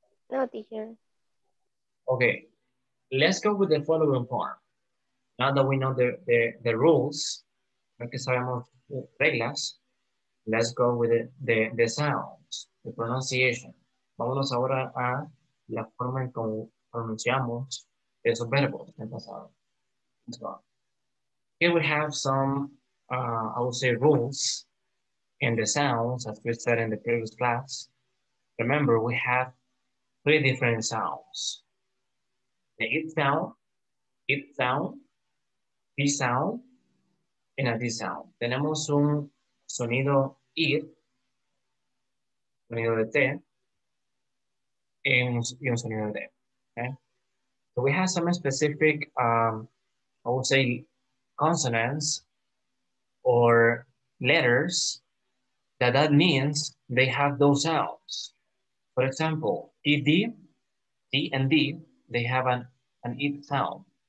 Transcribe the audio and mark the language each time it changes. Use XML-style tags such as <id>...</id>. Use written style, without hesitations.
<en>No, teacher. Okay. Let's go with the following part. Now that we know the rules,</en> <es>que sabemos reglas,</es> <en>let's go with the sounds, the pronunciation.</en> <es>Vámonos ahora a la forma en cómo pronunciamos esos verbos en pasado.</es> <en>So, here we have some, I would say, rules in the sounds, as we said in the previous class. Remember, we have three different sounds. The it sound, P sound and a D sound.</en> <es>Tenemos un sonido I, sonido de T, y un sonido de D.</es> <en>Okay? So we have some specific, I would say, consonants or letters that means they have those sounds. For example, ED, T and D, they have an I sound.</en>